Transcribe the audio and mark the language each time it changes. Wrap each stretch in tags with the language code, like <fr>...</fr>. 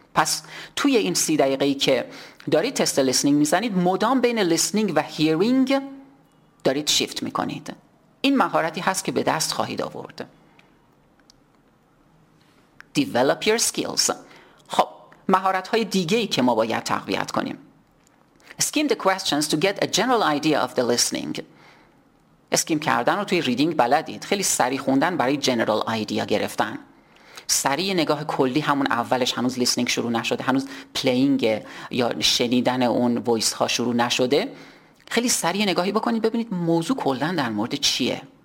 <fa>پس توی این 30 دقیقه‌ای که دارید تست listening میزنید مدام بین listening و hearing دارید شیفت میکنید. این مهارتی هست که به دست خواهید آورد.</fa> <en>Develop your skills.</en> <fa>خب مهارت‌های دیگه‌ای که ما باید تقویت کنیم.</fa> <en>Skim the questions to get a general idea of the listening.</en> <fa>اسکیم کردن رو توی reading بلدید. خیلی سریع خوندن برای general idea گرفتن. سریع نگاه کلی همون اولش، هنوز لیسنینگ شروع نشده، هنوز پلینگ یا شنیدن اون وایس ها شروع نشده، خیلی سریع نگاهی بکنید ببینید موضوع کلن در مورد چیه.</fa>